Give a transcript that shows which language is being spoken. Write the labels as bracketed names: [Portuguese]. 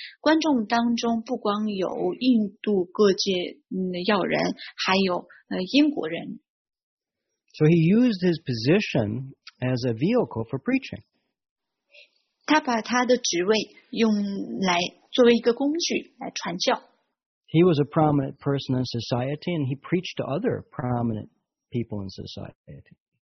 [Chinese] 观众当中不光有印度各界要人，还有英国人。 [English] So he used his position as a vehicle for preaching. [Chinese] 他把他的职位用来作为一个工具来传教。 [English] He was a prominent person in society, and he preached to other prominent people in society.